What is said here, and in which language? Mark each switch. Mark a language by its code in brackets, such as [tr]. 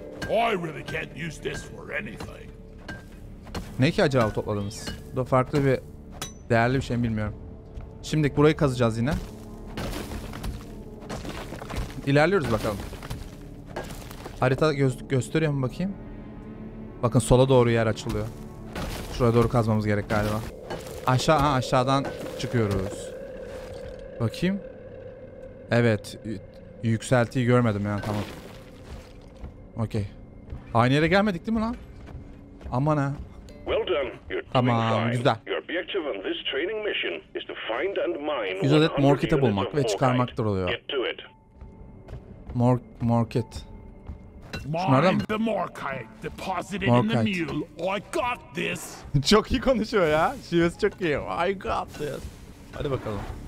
[en] I really can't use this for anything. [tr] Ne ki acaba topladığımız? Bu da farklı bir, değerli bir şey mi bilmiyorum. Şimdi burayı kazacağız yine. İlerliyoruz bakalım. Harita gösteriyor mu bakayım? Bakın sola doğru yer açılıyor. Şuraya doğru kazmamız gerek galiba. Aşağıdan çıkıyoruz. Bakayım. Evet. Yükseltiyi görmedim yani, tamam. Okey. Aynı yere gelmedik değil mi lan? Aman ha. [en] Well done. You're [tr] tamam, güzel. [en] Your objective on this training mission is to find and mine [tr] 100 adet morkete bulmak ve çıkarmaktır oluyor. [en] Get to it. [tr] Morket. Şunlardan mı? [en] Morkite deposited in the mule. I got this. [tr] Çok iyi konuşuyor ya. Şivesi çok iyi. [en] I got this. [tr] Hadi bakalım.